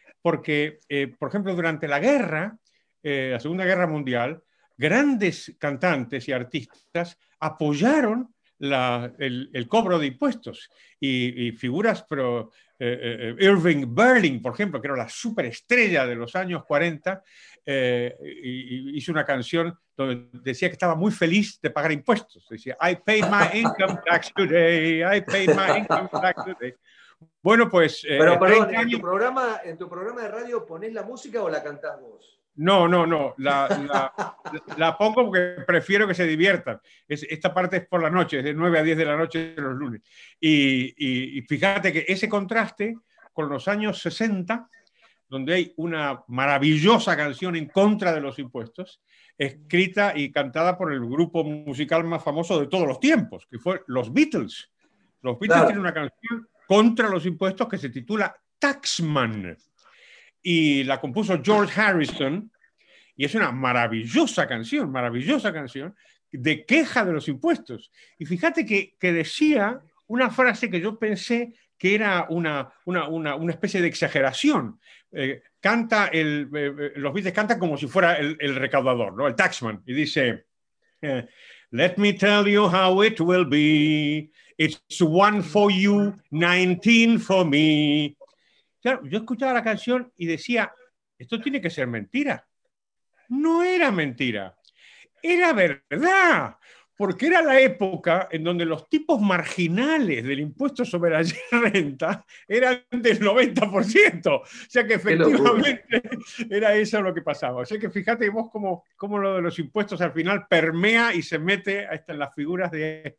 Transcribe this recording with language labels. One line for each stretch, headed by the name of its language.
Spanish: Porque, por ejemplo, durante la guerra, la Segunda Guerra Mundial, grandes cantantes y artistas apoyaron el cobro de impuestos. Y figuras, Irving Berlin, por ejemplo, que era la superestrella de los años 40, hizo una canción donde decía que estaba muy feliz de pagar impuestos. Decía,
English: I paid my income tax today, I paid my income tax today.
Spanish: Bueno, pues... Pero perdón, ¿en tu programa de radio ponés la música o la cantás vos? No. La pongo porque prefiero que se diviertan. Esta parte es por la noche, es de 9 a 10 de la noche de los lunes. Y fíjate que ese contraste con los años 60, donde hay una maravillosa canción en contra de los impuestos, escrita y cantada por el grupo musical más famoso de todos los tiempos, que fue los Beatles. Los Beatles tienen una canción contra los impuestos que se titula Taxman, y la compuso George Harrison, y es una maravillosa canción, de queja de los impuestos. Y fíjate que decía una frase que yo pensé que era una especie de exageración. Los Beatles cantan como si fuera el recaudador, ¿no? El Taxman, y dice...
English: Let me tell you how it will be. It's one for you, 19 for me.
Spanish: Claro, yo escuchaba la canción y decía, esto tiene que ser mentira. No era mentira. Era verdad. Porque era la época en donde los tipos marginales del impuesto sobre la renta eran del 90%. O sea que efectivamente era eso lo que pasaba. O sea que fíjate vos cómo lo de los impuestos al final permea y se mete hasta en las figuras de...